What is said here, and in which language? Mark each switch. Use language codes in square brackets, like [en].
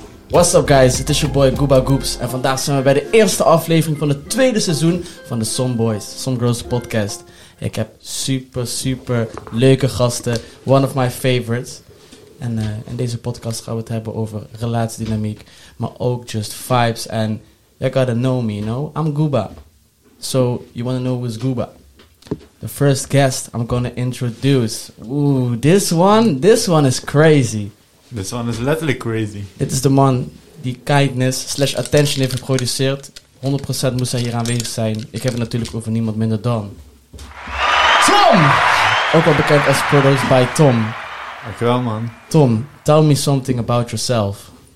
[en] What's up guys, [nl] het is [en] your boy [nl] Gooba Goobs en vandaag zijn we bij de eerste aflevering van het tweede seizoen van de Some Boys, Some Girls podcast. Ik heb super leuke gasten, [en] one of my favorites. [nl] En in deze podcast gaan we het hebben over relatiedynamiek, maar ook [en] just vibes [nl] en [en] you gotta know me, you know? I'm Gooba, so you wanna know who's Gooba? The first guest I'm gonna introduce, this one is crazy. This one is literally crazy. [nl] Dit is de man die kindness/attention heeft geproduceerd. 100% moest hij hier aanwezig zijn. Ik heb het natuurlijk over niemand minder dan... Tom! Ook wel bekend als Produced by Tom. Dankjewel, man. [en] Tom, tell me something about yourself.